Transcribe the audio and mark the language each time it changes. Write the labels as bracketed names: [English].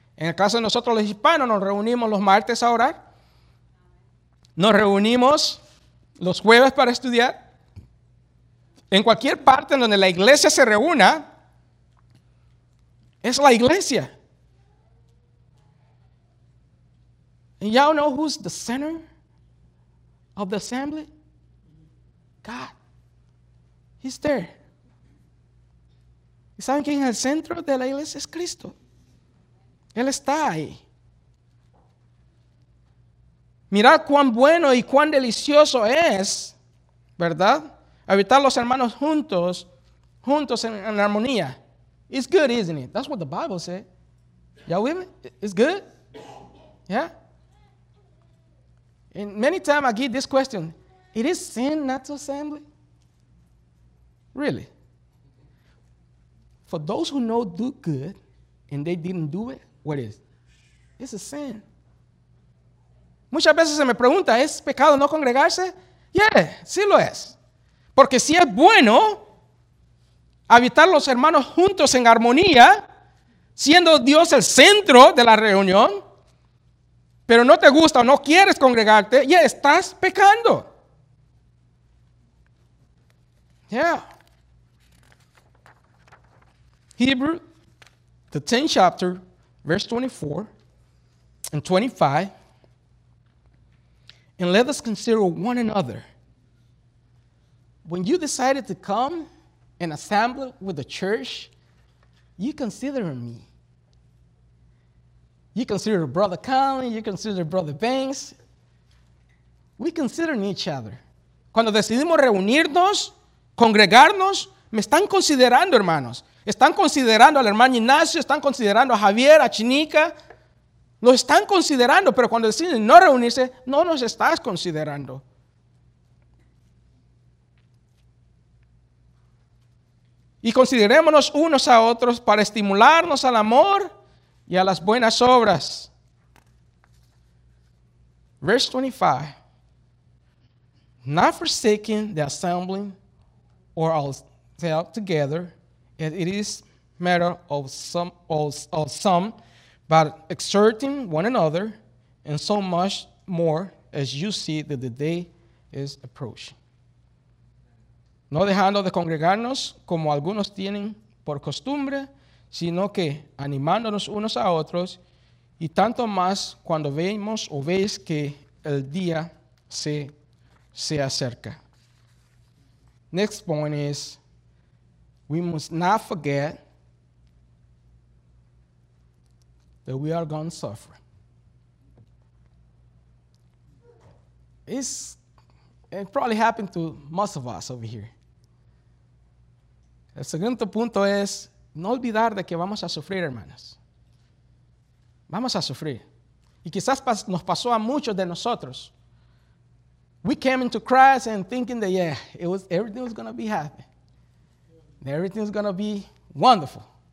[Spanish] En el caso de nosotros los hispanos, nos reunimos los martes a orar. Nos reunimos los jueves para estudiar. En cualquier parte en donde la iglesia se reúna, es la iglesia. [English] And y'all know who's the center of the assembly? God. He's there. [Spanish] ¿Y saben quién es el centro de la iglesia? Es Cristo. Él está ahí. Mirad cuán bueno y cuán delicioso es, ¿verdad? Habitar los hermanos juntos en armonía. [English] It's good, isn't it? That's what the Bible said. Y'all with me? It's good? Yeah? And many times I get this question. It is sin not to assemble? Really? For those who know do good and they didn't do it, what is it? It's a sin. [Spanish] Muchas veces se me pregunta, ¿es pecado no congregarse? Yeah, sí lo es. Porque si es bueno habitar los hermanos juntos en armonía, siendo Dios el centro de la reunión, pero no te gusta o no quieres congregarte, ya estás pecando. Yeah. [English] Hebrew, the 10th chapter, verse 24 and 25. And let us consider one another. When you decided to come and assemble with the church, you consider me. You consider Brother Conley, you consider Brother Banks. We consider each other. [Spanish] Cuando decidimos reunirnos, congregarnos, me están considerando, hermanos. Están considerando al hermano Ignacio, están considerando a Javier, a Chinica. Nos están considerando, pero cuando deciden no reunirse, no nos estás considerando. Y considerémonos unos a otros para estimularnos al amor y a las buenas obras. [English] Verse 25. Not forsaking the assembling or ourselves together, as it is matter of some, but exhorting one another, and so much more as you see that the day is approaching. [Spanish] No dejando de congregarnos como algunos tienen por costumbre, sino que animándonos unos a otros, y tanto más cuando vemos o veis que el día se acerca. [English] Next point is, we must not forget that we are going to suffer. It probably happened to most of us over here. [Spanish] El segundo punto es, no olvidar de que vamos a sufrir, hermanas. Vamos a sufrir. Y quizás nos pasó a muchos de nosotros. [English] We came into Christ and thinking that, yeah, everything was going to be happy. Everything is going to be wonderful.